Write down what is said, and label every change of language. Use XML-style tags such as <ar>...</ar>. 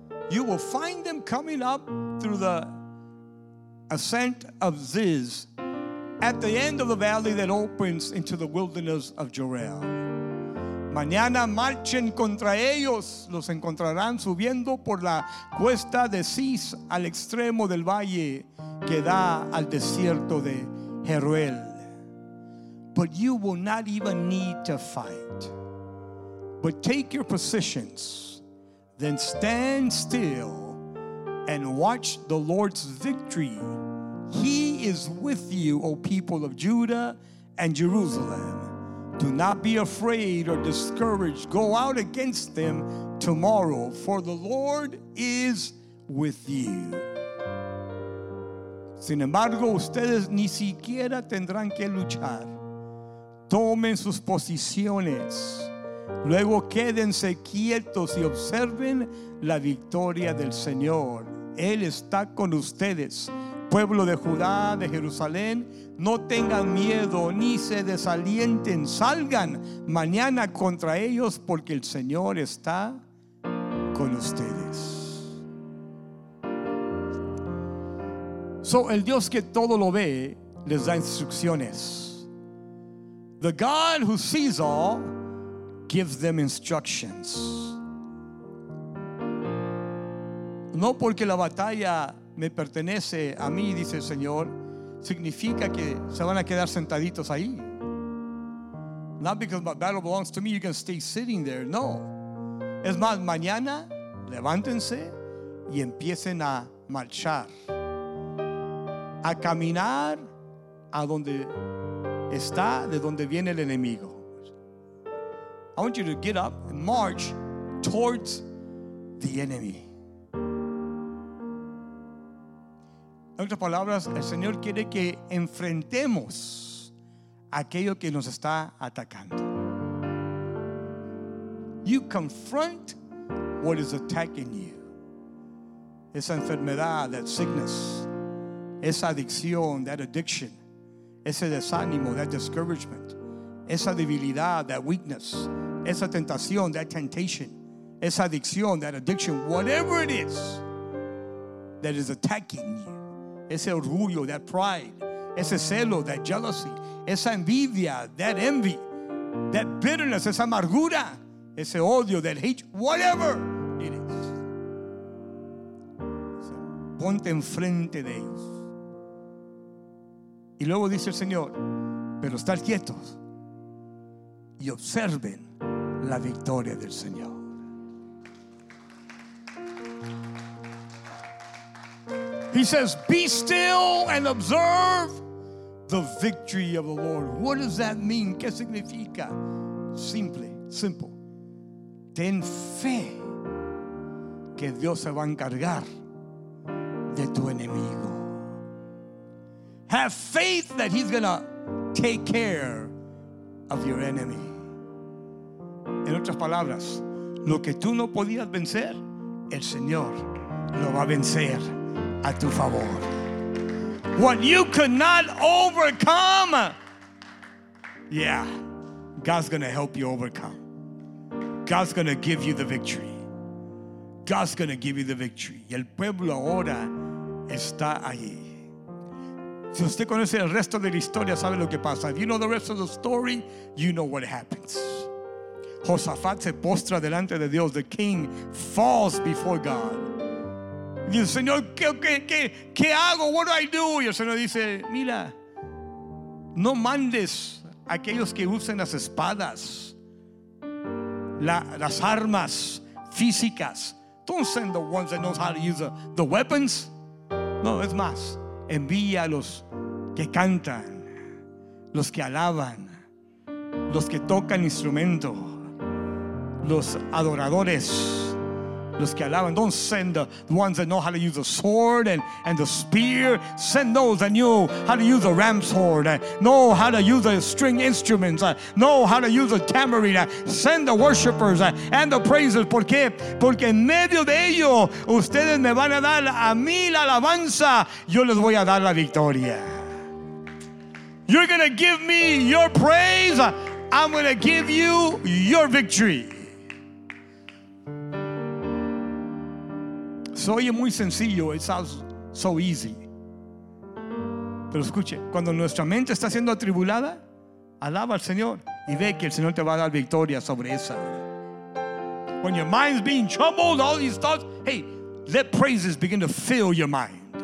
<en>You will find them coming up through the ascent of Ziz at the end of the valley that opens into the wilderness of Jorel.</en> <es>Mañana marchen contra ellos. Los encontrarán subiendo por la cuesta de Ziz al extremo del valle que da al desierto de Jeruel.</es> <en>But you will not even need to fight. But take your positions. Then stand still and watch the Lord's victory. He is with you, O people of Judah and Jerusalem. Do not be afraid or discouraged. Go out against them tomorrow, for the Lord is with you.</en> <es>Sin embargo, ustedes ni siquiera tendrán que luchar. Tomen sus posiciones. Luego quédense quietos y observen la victoria del Señor. Él está con ustedes. Pueblo de Judá, de Jerusalén, no tengan miedo ni se desalienten. Salgan mañana contra ellos porque el Señor está con ustedes. So, el Dios que todo lo ve les da instrucciones.</es> <en>The God who sees all gives them instructions.</en> <es>No porque la batalla me pertenece a mí, dice el Señor, significa que se van a quedar sentaditos ahí.</es> <en>Not because my battle belongs to me, you can stay sitting there.</en> <es>No. Es más, mañana levántense y empiecen a marchar. A caminar a donde está, de donde viene el enemigo.</es> <en>I want you to get up and march towards the enemy.</en> <es>En otras palabras, el Señor quiere que enfrentemos aquello que nos está atacando.</es> <en>You confront what is attacking you.</en> <es>Esa enfermedad,</es> <en>that sickness,</en> <es>esa adicción,</es> <en>that addiction,</en> <es>ese desánimo,</es> <en>that discouragement,</en> <es>esa debilidad,</es> <en>that weakness,</en> <es>esa tentación,</es> <en>that temptation,</en> <es>esa adicción,</es> <en>that addiction, whatever it is that is attacking you,</en> <es>ese orgullo,</es> <en>that pride,</en> <es>ese celo,</es> <en>that jealousy,</en> <es>esa envidia,</es> <en>that envy, that bitterness,</en> <es>esa amargura, ese odio,</es> <en>that hate, whatever it is.</en> <es>Ponte enfrente de ellos. Y luego dice el Señor, pero estar quietos y observen la victoria del Señor.</es> <en>He says, be still and observe the victory of the Lord. What does that mean?</en> <es>¿Qué significa?</es> <en>Simple, simple.</en> <es>Ten fe que Dios se va a encargar de tu enemigo.</es> <en>Have faith that he's going to take care of your enemy.</en> <es>En otras palabras, lo que tú no podías vencer, el Señor lo va a vencer a tu favor.</es> <en>What you could not overcome, yeah, God's going to help you overcome. God's going to give you the victory. God's going to give you the victory.</en> <es>Y el pueblo ahora está ahí. Si usted conoce el resto de la historia, sabe lo que pasa.</es> <en>If you know the rest of the story, you know what happens.</en> <es>Josafat se postra delante de Dios.</es> <en>The king falls before God.</en> <es>Y el Señor, ¿qué hago?</es> <en>What do I do?</en> <es>Y el Señor dice, mira, no mandes a aquellos que usen las espadas, las armas físicas.</es> <en>Don't send the ones that know how to use the weapons.</en> <es>No, es más, envía a los que cantan, los que alaban, los que tocan instrumento, los adoradores, los que alaban.</es> <en>Don't send the ones that know how to use the sword and the spear. Send those that knew how to use a ram's horn, know how to use the string instruments, know how to use a tambourine. Send the worshipers and the praisers.</en> <es>¿Por qué? Porque en medio de ello ustedes me van a dar a mí la alabanza, yo les voy a dar la victoria.</es> <en>You're going to give me your praise, I'm going to give you your victory.</en> <es>Se oye muy sencillo,</es> <en>it sounds so easy.</en> <es>Pero escuche, cuando nuestra mente está siendo atribulada, alaba al Señor y ve que el Señor te va a dar victoria sobre esa.</es> <en>When your mind's being troubled, all these thoughts, hey, let praises begin to fill your mind.</en>